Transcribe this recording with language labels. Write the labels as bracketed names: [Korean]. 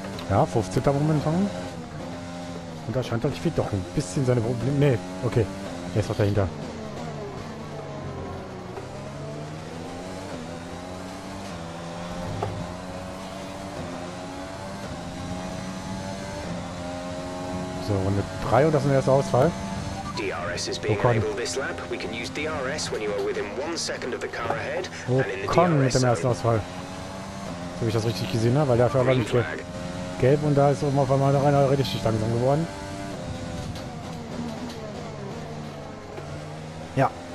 [German] Ja, 15. momentan. Und da scheint er nicht viel doch ein bisschen seine Probleme. Nee, okay. Er ist doch dahinter. So, Runde 3 und das ist der erste Ausfall. [English] DRS is being enabled this lap. We can use DRS when you are within 1 second of the car ahead. [German] Ocon mit dem ersten Ausfall. So habe ich das richtig gesehen, ne? Weil dafür aber nicht viel. Gelb und da ist oben auf einmal noch einer richtig langsam geworden. Ja.